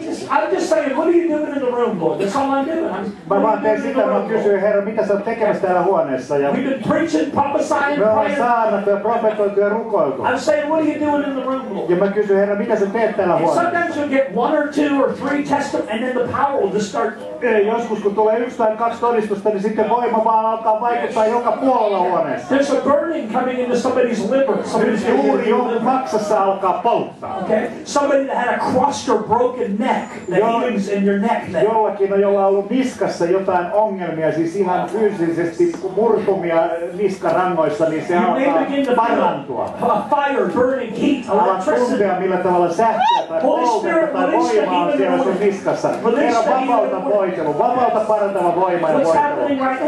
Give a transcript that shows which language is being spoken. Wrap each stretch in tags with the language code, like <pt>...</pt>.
<en>I'm just saying, what are you doing in the room, boy? That's all I'm doing. We've been preaching, prophesying, Sometimes you'll get one or two or three testimonies, and then the power will just start.</en> <fi>Joskus kun tulee yksi tai kaksi todistusta, niin sitten voima vaan alkaa vaikuttaa joka puolella huoneessa.</fi> <en>There's a burning coming into somebody's liver. Somebody's</en> <fi>juuri jonkun maksassa alkaa polttaa.</fi> <en>Okay. Somebody that had a crushed or broken neck that healings in your neck.</en> <fi>Jollakin on, jolla on ollut niskassa jotain ongelmia, siis ihan fyysisesti murtumia niskarangoissa, niin se alkaa parantua.</fi> <en>A fire, burning heat, electricity.</en> <fi>Alkaa tuntea, millä tavalla sähköä tai poltetta tai voimaa on siellä sun niskassa. Herra, vapauta. Vapauta parantava voima ja voima.</fi>